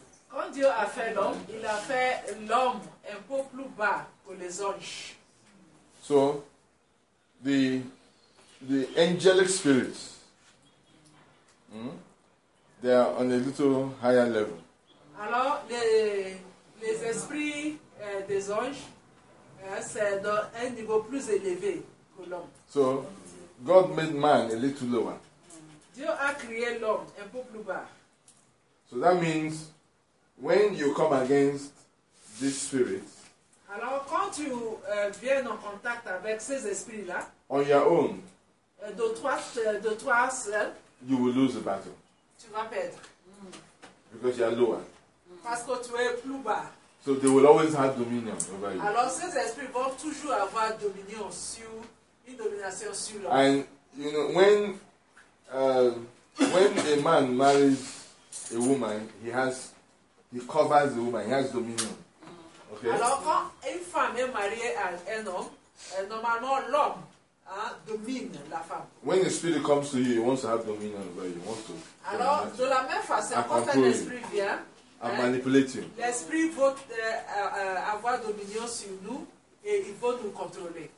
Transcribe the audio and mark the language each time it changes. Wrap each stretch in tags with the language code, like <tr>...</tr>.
<fr>Quand Dieu a fait l'homme, il a fait l'homme un peu plus bas que les anges.</fr> <en>So, the angelic spirits, they are on a little higher level.</en> <fr>Alors, les esprits des anges, c'est dans un niveau plus élevé que l'homme.</fr> <en>So, God made man a little lower.</en> <fr>Dieu a créé l'homme un peu plus bas.</fr> <en>So that means, when you come against this spirit,</en> <fr>alors quand tu viens en contact avec ces esprits là,</fr> <en>on your own,</en> <fr>de toi seul,</fr> <en>you will lose the battle.</en> <fr>Tu vas perdre.</fr> <en>Because you are lower.</en> <fr>Parce que tu es plus bas.</fr> <en>So they will always have dominion over you.</en> <fr>Alors ces esprits vont toujours avoir dominion sur une domination sur l'homme.</fr> <en>And you know when a man marries a woman, he covers the woman. He has dominion. Okay.</en> <fr>Alors quand une femme est mariée à un homme, normalement l'homme domine la femme.</fr> <en>When the spirit comes to you, he wants to have dominion over you. Wants to.</en> <fr>Alors de la même façon, quand un esprit vient,</fr> <en>manipulating.</en> <fr>L'esprit veut avoir dominion sur nous et il veut nous contrôler.</fr>